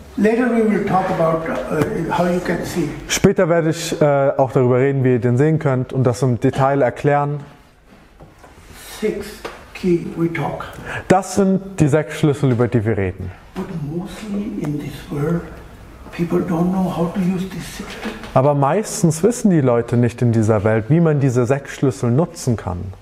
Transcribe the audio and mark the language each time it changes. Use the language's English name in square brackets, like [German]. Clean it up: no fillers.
[English] Later we will talk about how you can see. [German] Später werde ich auch darüber reden, wie ihr den sehen könnt und das im Detail erklären. [English] Six key we talk. [German] Das sind die sechs Schlüssel, über die wir reden. [English] But mostly in this world, people don't know how to use these six. [German] Aber meistens wissen die Leute nicht in dieser Welt, wie man diese sechs Schlüssel nutzen kann.